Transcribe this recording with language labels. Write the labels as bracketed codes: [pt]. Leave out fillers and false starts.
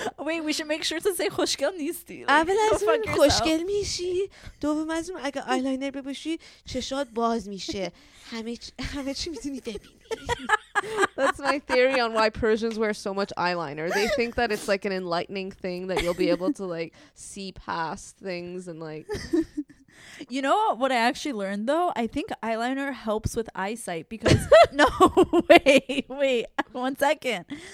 [en] wait we should make shirts that say [fa] خوشگل نیستی اول از اون خوشگل میشی دوم از اون اگه آیلاینر بپوشی چشات باز میشه همه چی میتونی ببینی [en] That's my theory on why Persians wear so much eyeliner. They think that it's like an enlightening thing that you'll be able to like see past things and like You know what I actually learned though? I think eyeliner helps with eyesight because No, wait. One second.